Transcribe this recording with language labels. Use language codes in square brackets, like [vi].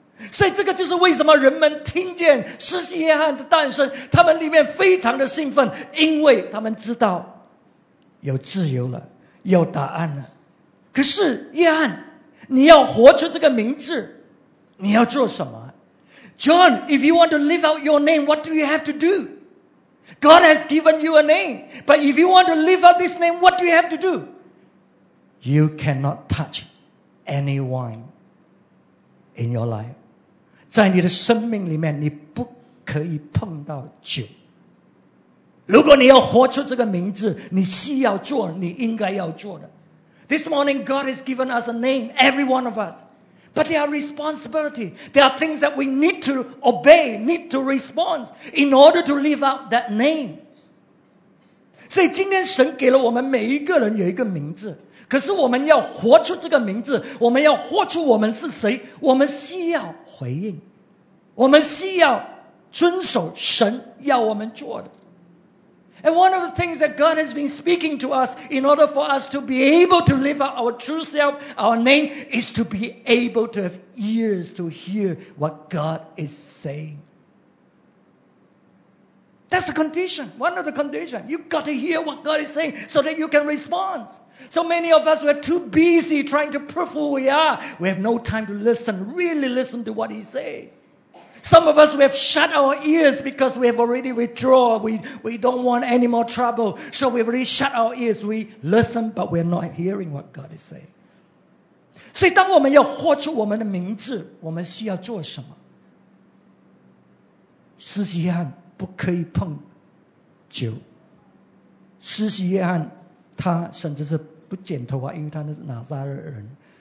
[zh] 所以这个就是为什么人们听见施洗约翰的诞生，他们里面非常的兴奋，因为他们知道有自由了，有答案了。可是约翰，你要活出这个名字，你要做什么？ [en] John, if you want to live out your name, what do you have to do? God has given you a name, but if you want to live out this name, what do you have to do? You cannot touch any wine. In your life, [zh] 在你的生命里面，你不可以碰到酒。如果你要活出这个名字，你需要做你应该要做的。 [en] This morning, God has given us a name, every one of us. But there are responsibility. There are things that we need to obey, need to respond in order to live out that name. [zh] 所以今天神给了我们每一个人有一个名字。可是我们要活出这个名字，我们要活出我们是谁，我们需要回应，我们需要遵守神要我们做的。 [en] And one of the things that God has been speaking to us in order for us to be able to live out our true self, our name, is to be able to have ears to hear what God is saying. That's the condition, one of the conditions. You've got to hear what God is saying so that you can respondSo many of us, we're too busy trying to prove who we are. We have no time to listen, really listen to what he says. Some of us, we have shut our ears because we have already withdrawn. We don't want any more trouble. So we've already shut our ears. We listen, but we're not hearing what God is saying. [zh] 所以当我们要活出我们的名字，我们需要做什么？施洗约翰不可以碰酒。施洗约翰他甚至是不剪头发，因为他是拿撒勒人。